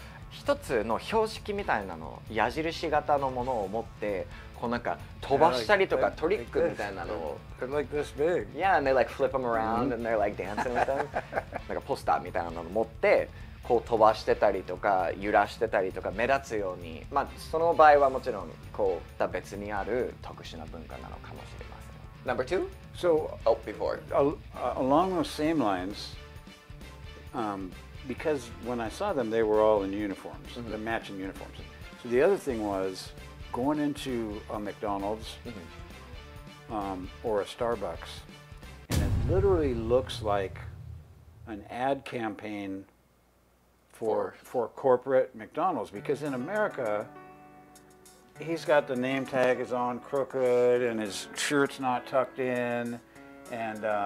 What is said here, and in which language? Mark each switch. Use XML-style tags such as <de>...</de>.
<ja>一つの標識みたいなの、矢印型のものを持って、こうなんか飛ばしたりとか、トリックみたいなのを。</ja> <en>They're like this big. Yeah, and they like flip them around and they're like dancing with them.</en> <ja>なんかポスターみたいなのを持って、こう飛ばしてたりとか、揺らしてたりとか、目立つように。まあ、その場合はもちろん、こう、また別にある特殊な文化なのかもしれません。</ja> <en>Number two? So, oh, before. Along those same lines, because when I saw them, they were all in uniforms,、mm-hmm. the matching uniforms. So the other thing was going into a McDonald's、mm-hmm. Or a Starbucks, and it literally looks like an ad campaign for corporate McDonald's, because in America,He's got the name tag is on crooked and his shirt's not tucked in and</en>